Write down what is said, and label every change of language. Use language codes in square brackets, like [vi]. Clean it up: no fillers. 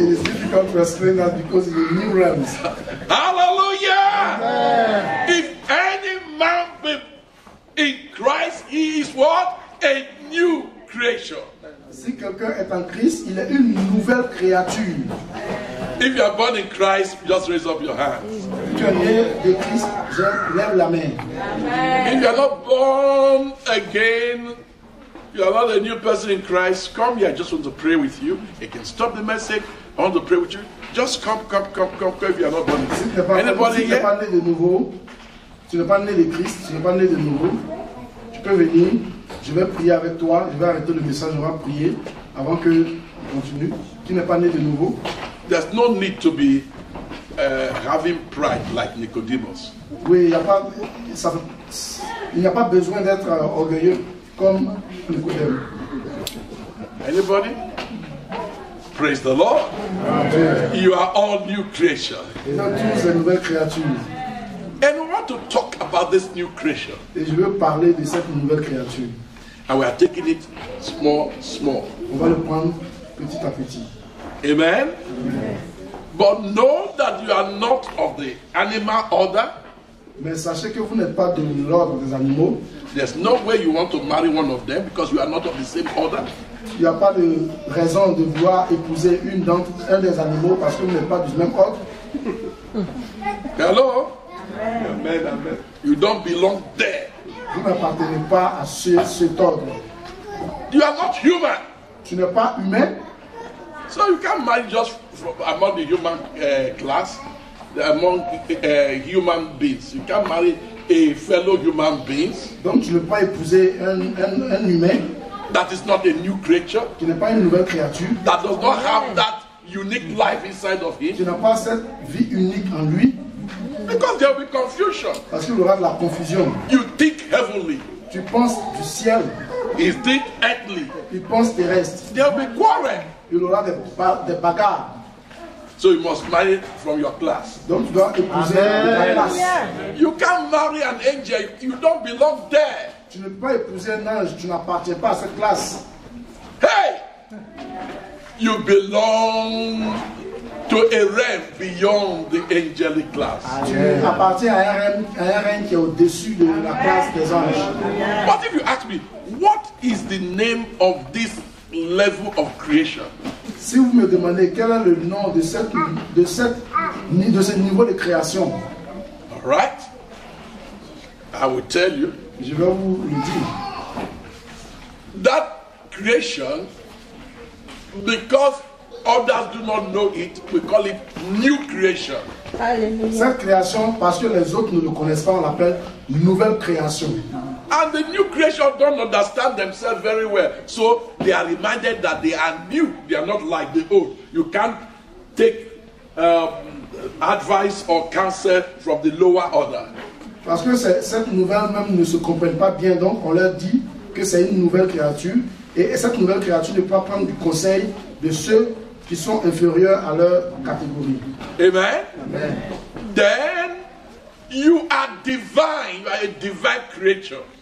[en] It is difficult to explain that because it is new realms. Hallelujah! If any man be in Christ, he is what? A new creation. [fr] Si quelqu'un est en Christ, il est une nouvelle créature. [en] If you are born in Christ, just raise up your hands. [fr] Si tu es né de Christ, lève la main. [en] If you are not born again, you are not a new person in Christ, come here, I just want to pray with you. You can stop the message, I want to pray with you. Just come, if you are not born in Christ. Anybody here? [fr] Si tu n'es pas né de nouveau, tu n'es pas né de Christ, tu n'es pas né de nouveau, tu peux venir. Je vais prier avec toi, je vais arrêter le message, on va prier avant que on continue. Tu n'es pas né de nouveau. [en] There's no need to be having pride like Nicodemus. [fr] Oui, il n'y a pas besoin d'être orgueilleux comme Nicodemus. [en] Anybody? Praise the Lord. Amen. You are all new creatures. [fr] Nous sommes tous des nouvelles créatures. [en] And we want to talk about this new creature. [fr] Et je veux parler de cette nouvelle créature. [en] And we are taking it small. [fr] On va le prendre petit à petit. [en] Amen. But know that you are not of the animal order. [fr] Mais sachez que vous n'êtes pas de l'ordre des animaux. [en] There's no way you want to marry one of them because you are not of the same order. [fr] Il n'y a pas de raison de vouloir épouser un des animaux parce que vous n'êtes pas du même ordre. [en] Hello. Amen. You don't belong there. [fr] Vous n'appartenez pas à cet ordre. [en] You are not human. [fr] Tu n'es pas humain. [en] So you can't marry just from among the human class, among human beings. You can't marry a fellow human beings. [fr] Donc tu ne peux pas épouser un humain. [en] That is not a new creature. [fr] Qui n'est pas une nouvelle créature. [en] That does not have that unique life inside of him. [fr] Qui n'a pas cette vie unique en lui. [en] Because there will be confusion. [fr] Parce qu'il y aura de la confusion. [en] You think heavenly. [fr] Tu penses du ciel. [en] You think earthly. [fr] Tu penses terrestre. [en] There will be quarrel. [fr] Il aura des bagarres. [en] So you must marry from your class. [fr] Donc tu dois épouser de ta classe. [en] You can't marry an angel. You don't belong there. [fr] Tu ne peux pas épouser un ange. Tu n'appartiens pas à cette classe. [en] Hey, you belong to a realm beyond the angelic class. Amen. [fr] Tu appartiens à un règne qui est au-dessus de la classe des anges. [en] But if you ask me, what is the name of this level of creation? [fr] Si vous me demandez quel est le nom de ce niveau de création, [en] all right, I will tell you. [fr] Je vais vous le dire. [en] That creation, because others do not know it, we call it new creation. Alleluia. [fr] Cette création, parce que les autres ne le connaissent pas, on l'appelle nouvelle création. [en] And the new creation don't understand themselves very well, so they are reminded that they are new. They are not like the old. You can't take advice or counsel from the lower order. [fr] Parce que cette nouvelle même ne se comprennent pas bien, donc on leur dit que c'est une nouvelle créature, et cette nouvelle créature ne peut pas prendre du conseil de ceux qui sont inférieurs à leur catégorie. [en] Amen. Amen. Then you are divine. You are a divine creature.